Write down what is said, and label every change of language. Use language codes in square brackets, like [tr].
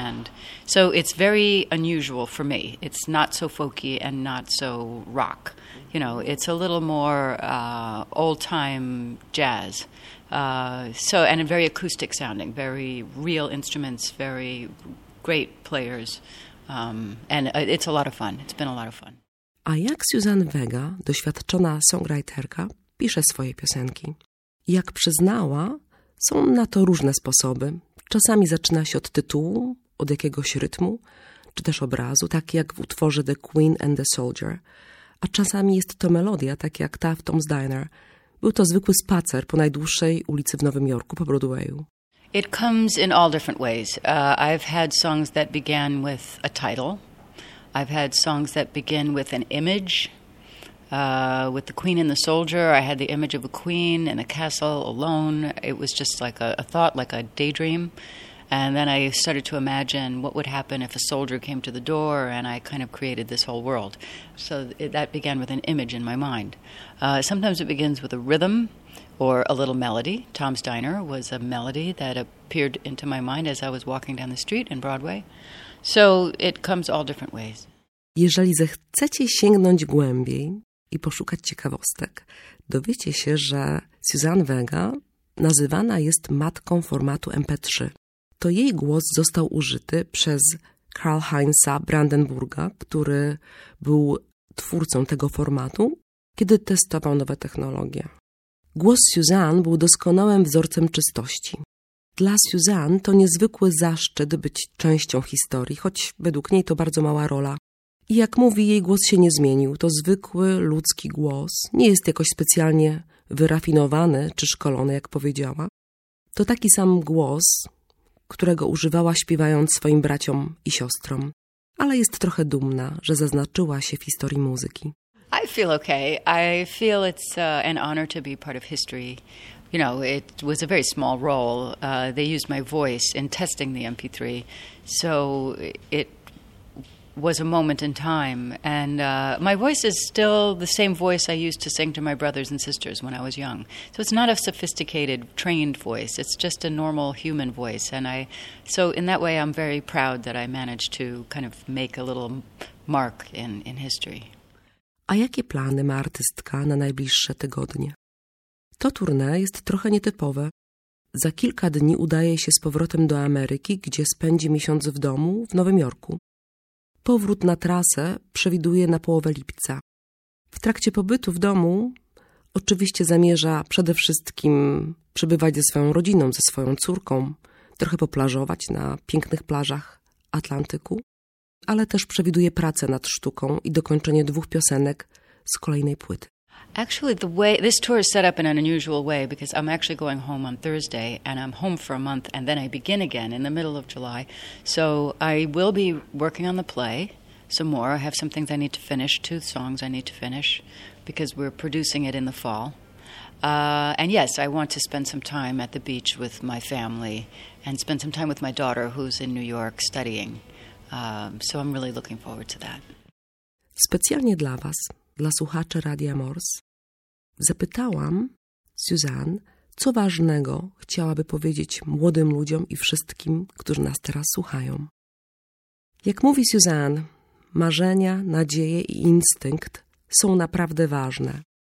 [en] And so it's very unusual for me. It's not so folky and not so rock. You know, it's a little more old-time jazz. And a very acoustic sounding, very real instruments, very great players. It's a lot of fun. It's been a lot of fun. [pl] A jak Suzanne Vega, doświadczona songwriterka, pisze swoje piosenki? Jak przyznała, są na to różne sposoby. Czasami zaczyna się od tytułu, od jakiegoś rytmu, czy też obrazu, tak jak w utworze The Queen and the Soldier. A czasami jest to melodia, tak jak ta w Tom's Diner. Był to zwykły spacer po najdłuższej ulicy w Nowym Jorku, po Broadwayu. [en] It comes in all different ways. I've had songs that began with a title. I've had songs that begin with an image. With The Queen and the Soldier, I had the image of a queen in a castle alone. It was just like a thought, like a daydream. And then I started to imagine what would happen if a soldier came to the door, and I kind of created this whole world. So that began with an image in my mind. Sometimes it begins with a rhythm or a little melody. Tom's Diner was a melody that appeared into my mind as I was walking down the street in Broadway. So it comes all different ways. [pl] Jeżeli zechcecie sięgnąć głębiej i poszukać ciekawostek, dowiecie się, że Suzanne Vega nazywana jest matką formatu MP3. To jej głos został użyty przez Karl Heinza Brandenburga, który był twórcą tego formatu, kiedy testował nowe technologie. Głos Suzanne był doskonałym wzorcem czystości. Dla Suzanne to niezwykły zaszczyt być częścią historii, choć według niej to bardzo mała rola. I jak mówi, jej głos się nie zmienił. To zwykły ludzki głos. Nie jest jakoś specjalnie wyrafinowany czy szkolony, jak powiedziała. To taki sam głos, którego używała śpiewając swoim braciom i siostrom. Ale jest trochę dumna, że zaznaczyła się w historii muzyki. [en] I feel okay. I feel it's an honor to be part of history. You know, it was a very small role. They used my voice in testing the MP3. So it was a moment in time. And my voice is still the same voice I used to sing to my brothers and sisters when I was young. So it's not a sophisticated, trained voice. It's just a normal human voice. So in that way, I'm very proud that I managed to kind of make a little mark in history. [pl] A jakie plany ma artystka na najbliższe tygodnie? To tournée jest trochę nietypowe. Za kilka dni udaje się z powrotem do Ameryki, gdzie spędzi miesiąc w domu w Nowym Jorku. Powrót na trasę przewiduje na połowę lipca. W trakcie pobytu w domu oczywiście zamierza przede wszystkim przebywać ze swoją rodziną, ze swoją córką, trochę poplażować na pięknych plażach Atlantyku, ale też przewiduje pracę nad sztuką i dokończenie dwóch piosenek z kolejnej płyty. [en] Actually, the way this tour is set up in an unusual way, because I'm actually going home on Thursday and I'm home for a month and then I begin again in the middle of July. So I will be working on the play some more. I have some things I need to finish, two songs I need to finish, because we're producing it in the fall. And yes, I want to spend some time at the beach with my family and spend some time with my daughter who's in New York studying. So I'm really looking forward to that. [pl] Specjalnie dla was. Dla słuchaczy Radia Morse zapytałam Suzanne, co ważnego chciałaby powiedzieć młodym ludziom i wszystkim, którzy nas teraz słuchają. Jak mówi Suzanne, marzenia, nadzieje i instynkt są naprawdę ważne.